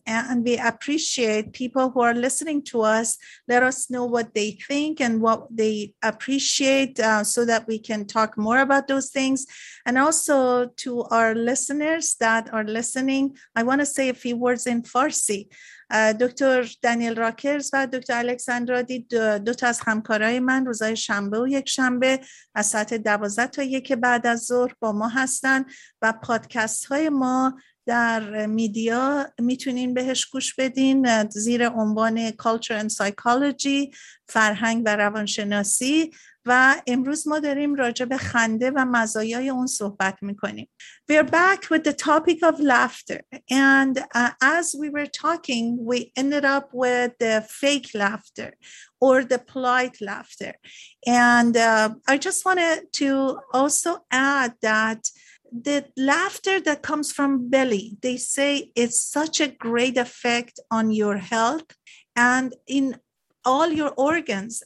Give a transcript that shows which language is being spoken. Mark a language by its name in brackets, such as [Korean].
[English] And we appreciate people who are listening to us. Let us know what they think and what they appreciate so that we can talk more about those things. And also to our listeners that are listening, I want to say a few words in Farsi. [Persian] دکتر دانیل راکرز و دکتر الکساندرا دی دو تا از همکارای من روزای شنبه و یک شنبه از ساعت 12 تا 1 بعد از ظهر با ما هستن و پادکست های ما در میدیا میتونین بهش گوش بدین زیر عنوان Culture and Psychology فرهنگ و روانشناسی و امروز ما داریم راجع به خنده و مزایای اون صحبت میکنیم. [English] We are back with the topic of laughter. And as we were talking, we ended up with the fake laughter or the polite laughter. And I just wanted to also add that the laughter that comes from belly, they say it's such a great effect on your health and in all your organs.